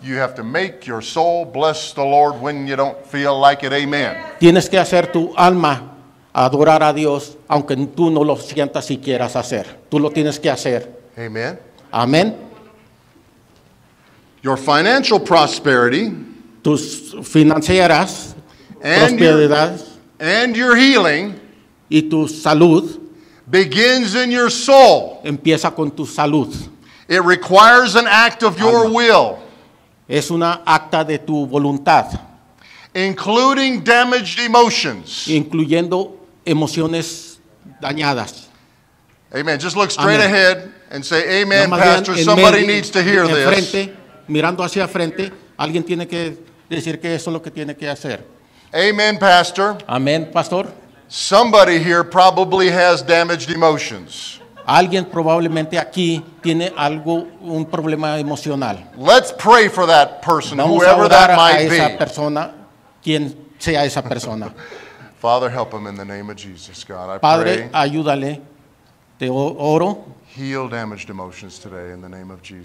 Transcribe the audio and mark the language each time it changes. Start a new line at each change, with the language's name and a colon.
English: You have to make your soul bless the Lord when you don't feel like it. Amen.
Spanish: Tienes que hacer tu alma adorar a Dios aunque tú no lo sientas si quieras hacer. Tú lo tienes que hacer. Amen. Amen.
English: Your financial prosperity.
Spanish: Tus financieras,
English: and your healing,
Spanish: y tu salud,
English: begins in your soul.
Spanish: Empieza con tu salud.
English: It requires an act of your will.
Spanish: Es una acta de tu voluntad.
English: Including damaged emotions.
Spanish: Incluyendo emociones dañadas.
English: Amen. Just look straight amen ahead and say, amen, no, Pastor. En somebody en needs to hear en this.
Spanish: Frente, mirando hacia frente, alguien tiene que decir que eso es lo que tiene que hacer. Amen, Pastor. Amen, Pastor.
English: Somebody here probably has damaged emotions.
Spanish: Alguien probablemente aquí tiene algo, un problema emocional.
English: Let's pray for that person, whoever that might be.
Spanish: Vamos a orar a esa persona, quien sea esa persona.
English: Father, help him in the name of Jesus, God. I pray.
Spanish: Padre, ayúdale. Te oro.
English: Heal damaged emotions today in the name of Jesus.